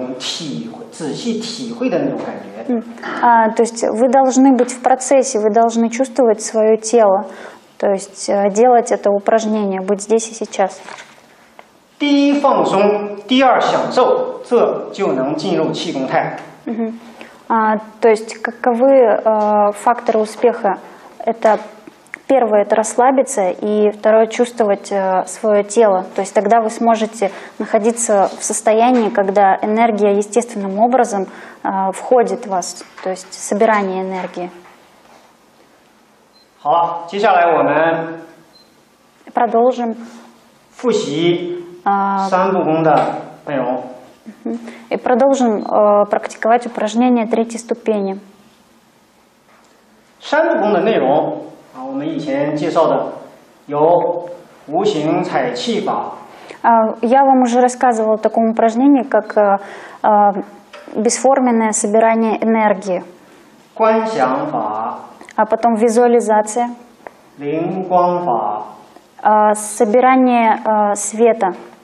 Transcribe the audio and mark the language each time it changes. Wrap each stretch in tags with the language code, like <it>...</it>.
<zh>你始终要在一种慢、缓慢的享受的过程中体会，仔细体会的那种感觉。</zh> <ru>То есть вы должны быть в процессе, вы должны чувствовать свое тело, то есть делать это упражнение, быть здесь и сейчас.</ru> <zh>第一放松，第二享受，这就能进入气功态。</zh> <ru>То есть каковы факторы успеха? Это первое – это расслабиться, и второе – чувствовать свое тело. То есть тогда вы сможете находиться в состоянии, когда энергия естественным образом входит в вас, то есть собирание энергии.</ru> <zh>好了，接下来我们</zh> <ru>продолжим</ru> <zh>复习三步功的内容。</zh> <ru>И продолжим практиковать упражнение третьей ступени.</ru> <zh>三步功的内容 我们以前介绍的有无形采气法。</zh> <ru>Я вам уже рассказывала о таком упражнении, как бесформенное собирание энергии.</ru> <zh>观想法。</zh> <ru>А потом визуализация.</ru> <zh>灵光法。</zh> <ru>Собирание света.</ru>